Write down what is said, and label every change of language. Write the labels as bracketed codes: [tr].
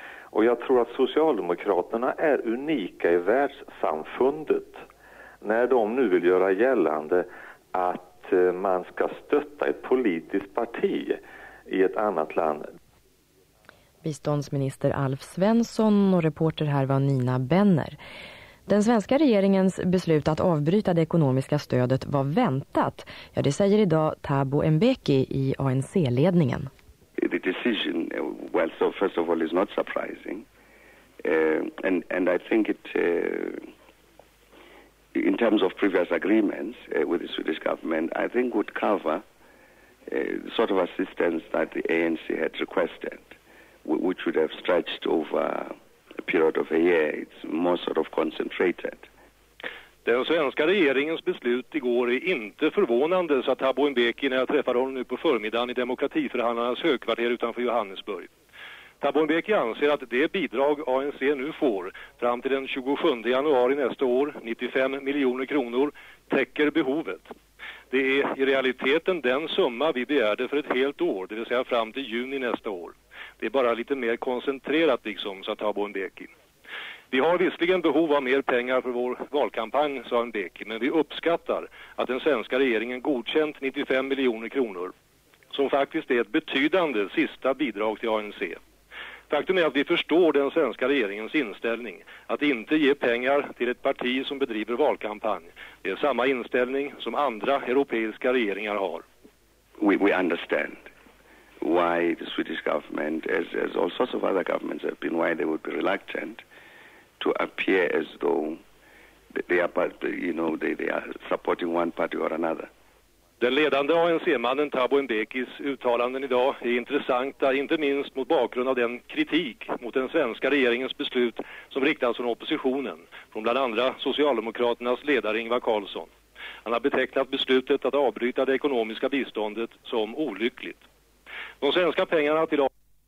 [sv] Och jag tror att Socialdemokraterna är unika i världssamfundet när de nu vill göra gällande att man ska stötta ett politiskt parti i ett annat land. Biståndsminister Alf Svensson, och reporter här var Nina Benner. Den svenska regeringens beslut att avbryta det ekonomiska stödet var väntat. Ja, det säger idag Thabo Mbeki i ANC-ledningen. [en] The decision, well, so first of all, is not surprising. And I think it, in terms of previous agreements with the Swedish government, I think would cover the sort of assistance that the ANC had requested, which would have stretched over a period of a year. It's more sort of concentrated. [sv] Den svenska regeringens beslut igår är inte förvånande, sa Thabo Mbeki när jag träffade honom nu på förmiddagen i demokratiförhandlarnas högkvarter utanför Johannesburg. Thabo Mbeki anser att det bidrag ANC nu får fram till den 27 januari nästa år, 95 miljoner kronor, täcker behovet. Det är i realiteten den summa vi begärde för ett helt år, det vill säga fram till juni nästa år. Det är bara lite mer koncentrerat liksom, sa Thabo Mbeki. Vi har visserligen behov av mer pengar för vår valkampanj, sa Mbeki, men vi uppskattar att den svenska regeringen godkänt 95 miljoner kronor, som faktiskt är ett betydande sista bidrag till ANC. Faktum är att vi förstår den svenska regeringens inställning att inte ge pengar till ett parti som bedriver valkampanj. Det är samma inställning som andra europeiska regeringar har. [en] We understand why the Swedish government, as all sorts of other governments have been, why they would be reluctant to appear as though they are, you know, they are supporting one party or another. [sv] Den ledande ANC-mannen Thabo Mbekis uttalanden idag är intressanta, inte minst mot bakgrund av den kritik mot den svenska regeringens beslut som riktas från oppositionen, från bland andra Socialdemokraternas ledare Ingvar Carlsson. Han har betecknat beslutet att avbryta det ekonomiska biståndet som olyckligt. De svenska pengarna till dag...